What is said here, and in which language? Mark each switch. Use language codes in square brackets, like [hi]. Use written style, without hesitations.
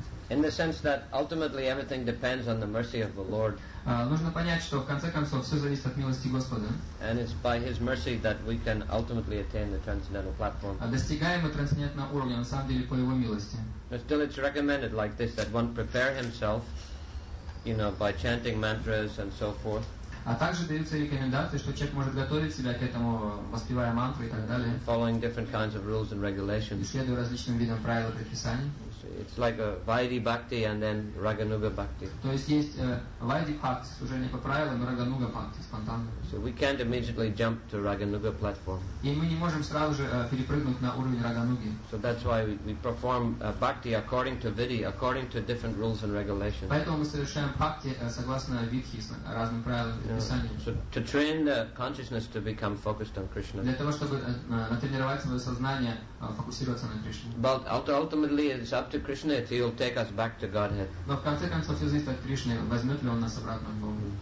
[en] In the sense that ultimately everything depends on the mercy of the Lord. [ru] Нужно понять, что в конце концов все зависит от милости Господа. [en] And it's by His mercy that we can ultimately attain the transcendental platform. [ru] Достигаем мы трансцендентного уровня на самом деле по Его милости. [en] But still, it's recommended like this that one prepare himself, you know, by chanting mantras and so forth. [ru] А также даются рекомендации, что человек может готовить себя к этому, воспевая мантры и так далее. [en] Following different kinds of rules and regulations. [ru] Следуя различным видам правил и предписаний. [en] It's like a Vaidhi Bhakti and then Raganuga Bhakti. [ru] То есть есть Vaidhi Bhakti, служение по правилам, и Raganuga Bhakti, спонтанно. [en] So we can't immediately jump to Raganuga platform. [ru] И мы не можем сразу же перепрыгнуть на уровень Рагануги. [en] So that's why we perform Bhakti according to Vidhi, according to different rules and regulations. [ru] Поэтому мы совершаем Bhakti согласно Vidhi, с разным правилам и предписаниям. [en] So to train the consciousness to become focused on Krishna. [ru] Для того, чтобы натренировать свое сознание, фокусироваться на Кришне. [en] But ultimately it's up to Krishna if He will take us back to Godhead. [ru] Но в конце концов все зависит от Кришны, возьмет ли Он нас обратно в Бога.